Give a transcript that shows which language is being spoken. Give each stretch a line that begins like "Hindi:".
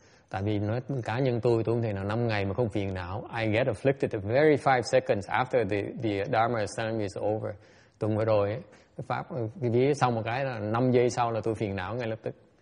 Vietnamese: Tại vì nói cá nhân tôi không thể nào 5 ngày mà không phiền não.
English: I get afflicted the very 5 seconds after the Dharma assembly is over.
Vietnamese: Tuần vừa rồi cái pháp cái vía xong một cái là 5 giây sau là tôi phiền não ngay lập tức.